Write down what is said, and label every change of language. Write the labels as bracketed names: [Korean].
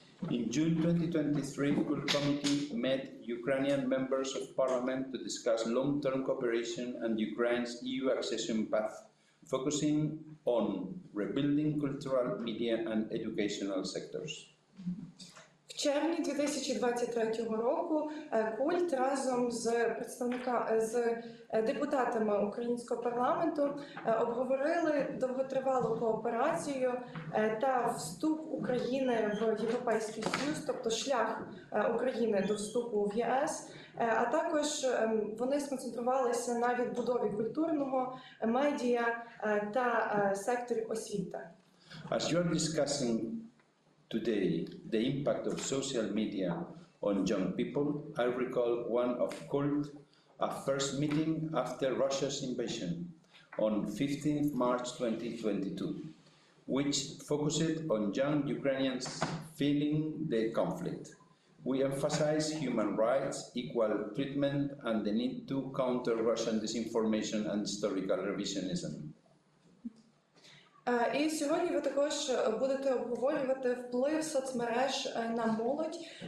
[English] In June 2023, the committee met Ukrainian members of parliament to discuss long-term cooperation and Ukraine's EU accession path, focusing on rebuilding cultural, media and educational sectors. [Ukrainian] В червні 2023 року культ разом з депутатами українського парламенту обговорили довготривалу кооперацію та вступ України в Європейський Союз, тобто шлях України до вступу в ЄС, а також вони сконцентрувалися на відбудові культурного, медіа та секторі освіти. [English] As you are discussing today, the impact of social media on young people, I recall one of CULT, a first meeting after Russia's invasion on 15th March 2022, which focused on young Ukrainians feeling the conflict. We emphasize human rights, equal treatment, and the need to counter Russian disinformation and historical revisionism. [Ukrainian] І сьогодні ви також будете обговорювати вплив соцмереж на молодь.